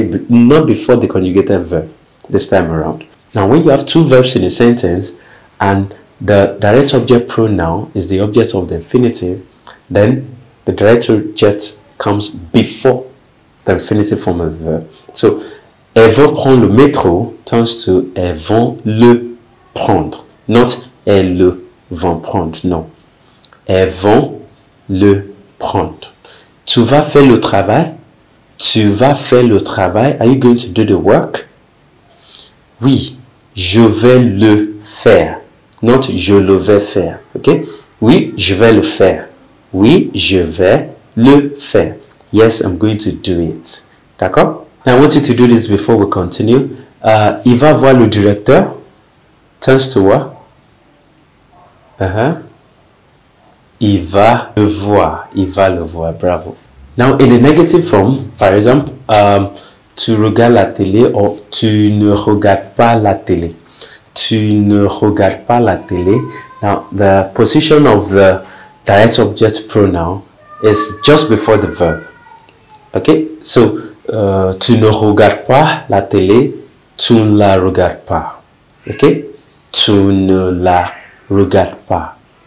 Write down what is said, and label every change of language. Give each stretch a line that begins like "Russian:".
English: But not before the conjugated verb this time around. Now, when you have two verbs in a sentence and the direct object pronoun is the object of the infinitive, then the direct object comes before the infinitive form of the verb.
French: So, elles vont prendre le métro
English: turns to
French: elles vont le prendre. Not elles le vont prendre, non. Elles vont le prendre. Tu vas faire le travail? Tu vas faire le travail?
English: Are you going to do the work?
French: Oui, je vais le faire. Not je le vais faire. Ok? Oui, je vais le faire. Oui, je vais le faire.
English: Yes, I'm going to do it.
French: D'accord?
English: Now, I want you to do this before we continue.
French: Il va voir le directeur.
English: Turns to what?
French: Il va le voir. Il va le voir. Bravo.
English: Now, in a negative form,
French: par exemple, tu regardes la télé or tu ne regardes pas la télé. Tu ne regardes pas la télé.
English: Now, the position of the direct object pronoun is just before the verb.
French: Okay? So, tu ne regardes pas la télé. Tu ne la regardes pas. Okay? Tu ne la regardes pas.